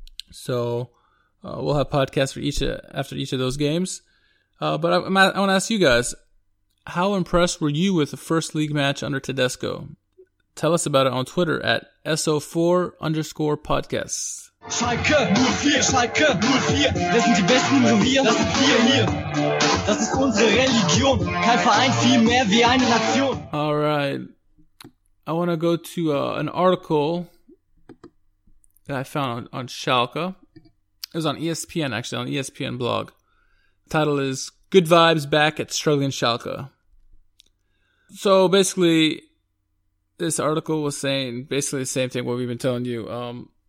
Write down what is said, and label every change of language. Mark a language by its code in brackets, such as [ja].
[en] So we'll have podcasts after each of those games. But I want to ask you guys, how impressed were you with the first league match under Tedesco? Tell us about it on Twitter at SO4_podcasts. [de] Schalke 04, Schalke 04, wir sind die Besten, nur wir, das sind wir hier. Das ist unsere Religion, kein Verein, viel mehr wie eine Nation. [en] Alright, I want to go to an article that I found on Schalke. It was on ESPN, actually, on ESPN blog. The title is Good Vibes Back at Struggling Schalke. So basically, this article was saying basically the same thing what we've been telling you.